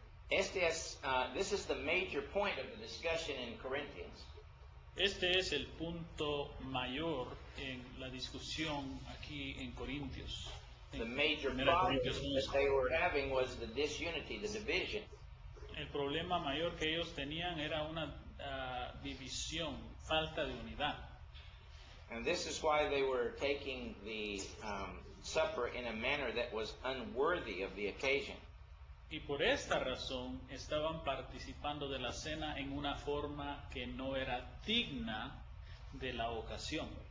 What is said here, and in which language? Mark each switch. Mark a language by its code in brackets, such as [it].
[en] This is the major point of the discussion in Corinthians. [es] Este es el punto mayor en la discusión aquí en Corintios. [en] The major problem that they were having was the disunity, the division. [es] El problema mayor que ellos tenían era una división, falta de unidad. [en] And this is why they were taking the supper in a manner that was unworthy of the occasion. [es] Y por esta razón estaban participando de la cena en una forma que no era digna de la ocasión.